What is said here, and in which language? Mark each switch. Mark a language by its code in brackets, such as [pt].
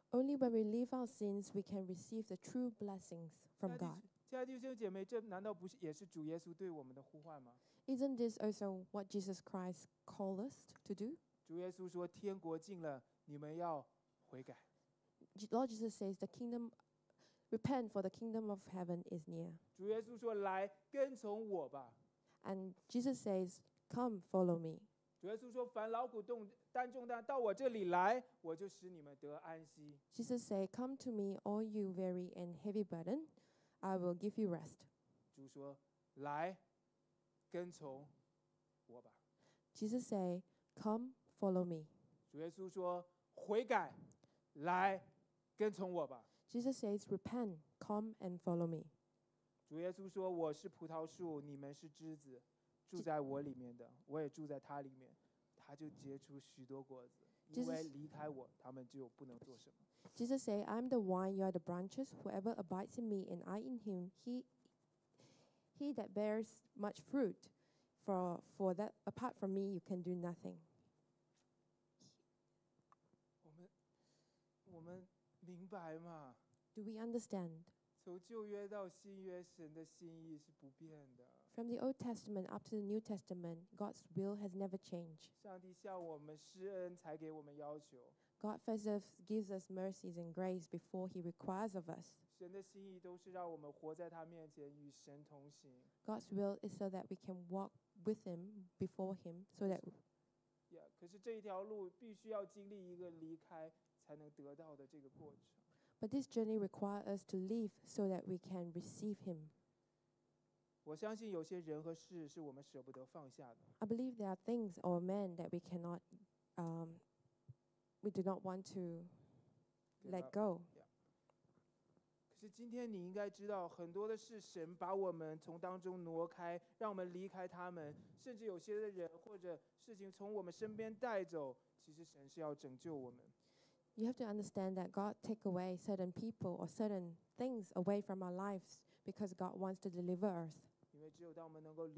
[en] Only when we leave our sins, we can receive the true blessings from God. [zh] 亲爱的弟兄姐妹，这难道不是也是主耶稣对我们的呼唤吗？ [en] Isn't this also what Jesus Christ called us to do? [zh] 主耶稣说，天国近了，你们要悔改。 [en] Lord Jesus says, the kingdom, repent for the kingdom of heaven is near. [zh] 主耶稣说，来跟从我吧。 [en] And Jesus says, come follow me. [zh] 主耶稣说：“凡劳苦重担重担到我这里来，我就使你们得安息。” [en] Jesus said, "Come to me, all you weary and heavy burden, I will give you rest." [zh] 主说：“来，跟从我吧。” [en] Jesus said, "Come, follow me." [zh] 主耶稣说：“悔改，来，跟从我吧。” [en] Jesus says, "Repent, come and follow me." [zh] 主耶稣说：“我是葡萄树，你们是枝子。” 住在我里面的，我也住在他里面，他就结出许多果子。因为离开我，他们就不能做什么。 [en] Jesus said, "I am the vine; you are the branches. Whoever abides in me, and I in him, he that bears much fruit. For that apart from me, you can do nothing." [zh] 我们明白吗 [en] ？Do we understand? [zh] 从旧约到新约，神的心意是不变的。 [en] From the Old Testament up to the New Testament, God's will has never changed. [zh] 上帝向我们施恩，才给我们要求。 [en] God first gives us mercies and grace before He requires of us. [zh] 神的心意都是让我们活在他面前，与神同行。 [en] God's will is so that we can walk with Him before Him, so that. [zh] Yeah, 可是这一条路必须要经历一个离开才能得到的这个过程。 [en] But this journey requires us to leave so that we can receive Him. I believe there are things or men that we cannot, we do not want to let go. Yeah. [zh] 今天你应该知道，很多的是神把我们从当中挪开，让我们离开他们，甚至有些的人或者事情从我们身边带走，其实神是要拯救我们。 [en] You have to understand that God takes away certain people or certain things away from our lives because God wants to deliver us.